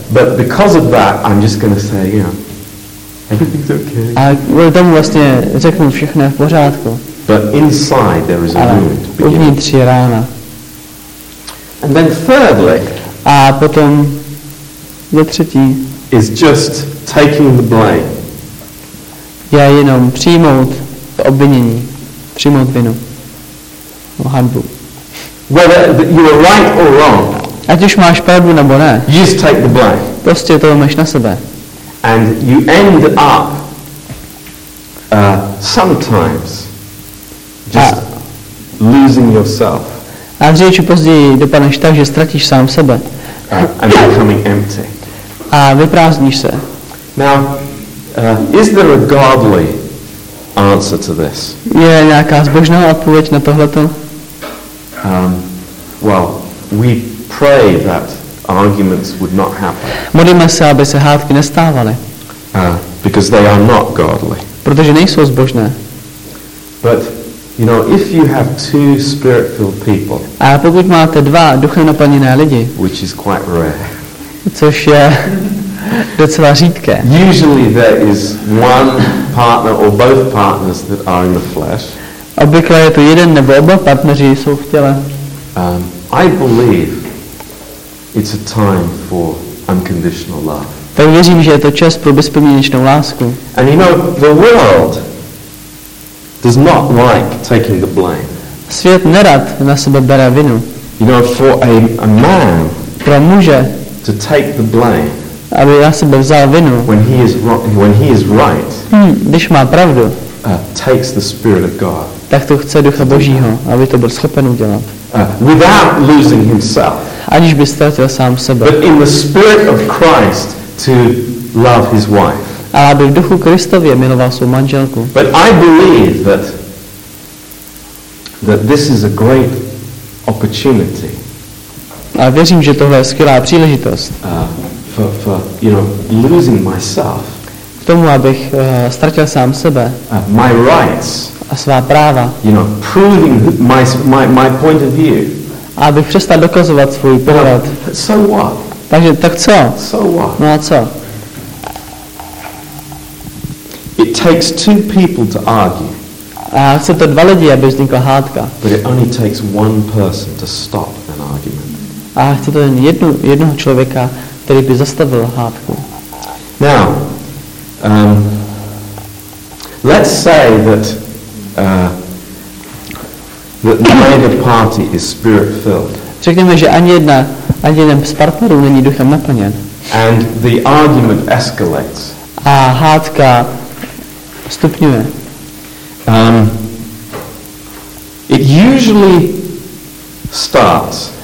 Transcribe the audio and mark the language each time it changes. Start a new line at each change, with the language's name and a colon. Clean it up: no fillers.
English: But because of that, I'm just going to say, you know, everything's okay.
Czech: A kvůli tomu vlastně řeknu, všechno je v pořádku.
English: But inside there is a wound.
Czech: Uvnitř je rána.
English: And then thirdly.
Czech: A potom je třetí.
English: Is just taking the blame.
Czech: Je jenom přijmout to obvinění, přijmout vinu. Hanbu.
English: Whether you are right or wrong.
Czech: Ať už máš pravdu nebo ne.
English: You just take the blame.
Czech: Prostě to máš na sebe.
English: And you end up sometimes just losing yourself.
Czech: A dřív později dopadneš tak, že ztratíš sám sebe.
English: And becoming empty.
Czech: A vyprázdníš se.
English: Now, is there a godly answer to this?
Czech: Je nějaká zbožná odpověď na tohleto?
English: Well, we pray that arguments would not happen.
Czech: Modlíme se, aby se hádky nestávaly.
English: Because they are not godly.
Czech: Protože nejsou zbožné.
English: But you know, if you have two spirit-filled people.
Czech: A pokud máte dva duchem naplněné lidi.
English: Which is quite rare.
Czech: Což je docela řídké.
English: Usually there is one partner or both partners that are in the flesh.
Czech: Obvykle je to jeden nebo oba partneři jsou v těle.
English: I believe it's a time for unconditional love.
Czech: Tak věřím, že je to čas pro bezpodmínečnou lásku.
English: And you know, the world does not like taking the blame.
Czech: Svět nerad na sebe bere vinu.
English: You know, for a man,
Czech: pro muže,
English: to take the blame,
Czech: aby na sebe vzal vinu,
English: when he is right,
Czech: když má pravdu,
English: takes the spirit of God.
Czech: Tak to chce Ducha Božího, aby to byl schopen udělat.
English: Without losing himself.
Czech: Aniž by ztratil sám sebe.
English: But in the spirit of Christ to love his wife.
Czech: A aby v duchu Kristově miloval svou manželku.
English: But I believe that this is a great opportunity.
Czech: A věřím, že tohle je skvělá příležitost.
English: For you know, losing myself.
Czech: K tomu, abych ztratil sám sebe.
English: My rights.
Czech: A svá práva.
English: You know, proving my point of view.
Czech: Aby přestal dokazovat svůj pohled.
English: So what?
Czech: Takže tak co?
English: So what?
Czech: No a co?
English: It takes two people to argue.
Czech: A chce to dva lidi, aby vznikla hádka.
English: But it only takes one person to stop an argument.
Czech: A chce to jen jednoho člověka, který by zastavil hádku.
English: Now, let's say that neither party is spirit filled.
Czech: Řekněme, že ani jeden z partnerů není duchem naplněn.
English: And the argument escalates.
Czech: A hádka stupňuje.
English: It usually starts.